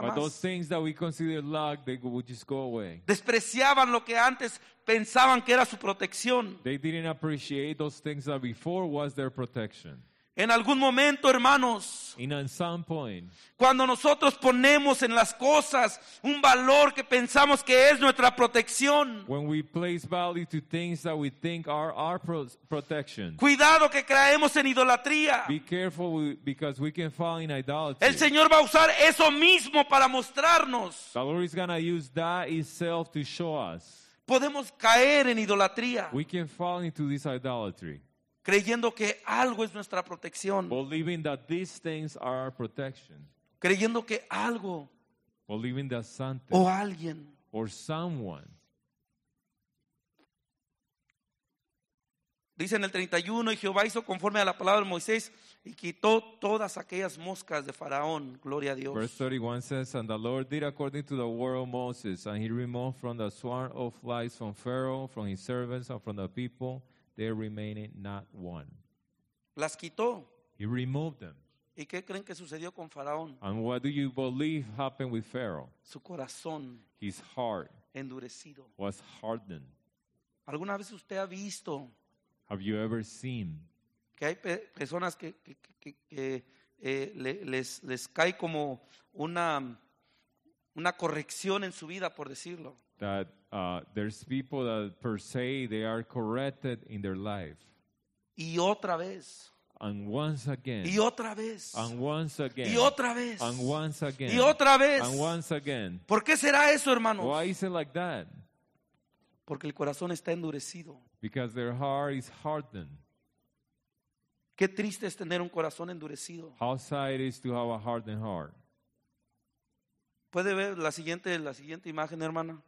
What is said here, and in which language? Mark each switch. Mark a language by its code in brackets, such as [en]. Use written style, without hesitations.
[en] but [es] más. [en] Those things that we consider luck, they would just go away. [es] Despreciaban lo que antes pensaban que era su protección. [en] They didn't appreciate those things that before was their protection. [es] En algún momento, hermanos, [en] in some point, [es] cuando nosotros ponemos en las cosas un valor que pensamos que es nuestra protección, [en] when we place value to things that we think are our protection, [es] cuidado que caemos en idolatría. [en] Be careful because we can fall in idolatry. [es] El Señor va a usar eso mismo para mostrarnos. [en] The Lord is going to use that itself to show us. [es] Podemos caer en idolatría. [en] We can fall into this idolatry. [es] creyendo que algo es nuestra protección. [en] Believing that these things are our protection. [es] Creyendo que algo. [en] Believing that something. [es] O alguien. [en] Or someone. [es] Dice en el 31, y Jehová hizo conforme a la palabra de Moisés y quitó todas aquellas moscas de Faraón. Gloria a Dios. [en] Verse 31 says, and the Lord did according to the word of Moses, and he removed from the swarm of flies from Pharaoh, from his servants, and from the people, there remaining not one. [es] Las quitó. [en] He removed them. [es] ¿Y qué creen que sucedió con Faraón? [en] And what do you believe happened with Pharaoh? [es] Su corazón. [en] His heart. [es] Endurecido. [en] Was hardened. [es] ¿Alguna vez usted ha visto? [en] Have you ever seen? [es] Que hay personas que les cae como una corrección en su vida, por decirlo. [en] That there's people that per se they are corrected in their life. [es] Y otra vez. [en] And once again. [es] Y otra vez. [en] And once again. [es] Y otra vez. [en] And once again. [es] Y otra vez. [en] And once again. [es] ¿Por qué será eso, hermanos? [en] Why is it like that? [es] Porque el corazón está endurecido. [en] Because their heart is hardened. [es] Qué triste es tener un corazón endurecido. [en] How sad it is to have a hardened heart. [es] ¿Puede ver la siguiente imagen, hermana?